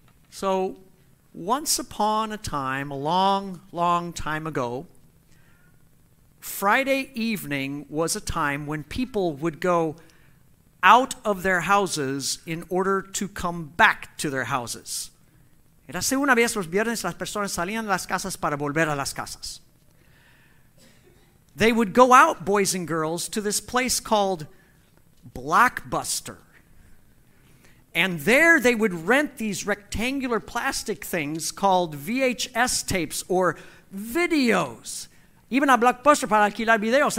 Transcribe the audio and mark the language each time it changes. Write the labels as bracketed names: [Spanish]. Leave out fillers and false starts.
[English] So, once upon a time, a long, long time ago, Friday evening was a time when people would go out of their houses in order to come back to their houses. [Spanish] Era así una vez los viernes las personas salían de las casas para volver a las casas. [English] They would go out, boys and girls, to this place called Blockbuster. And there they would rent these rectangular plastic things called VHS tapes or videos. [Spanish] Iban a Blockbuster para alquilar videos.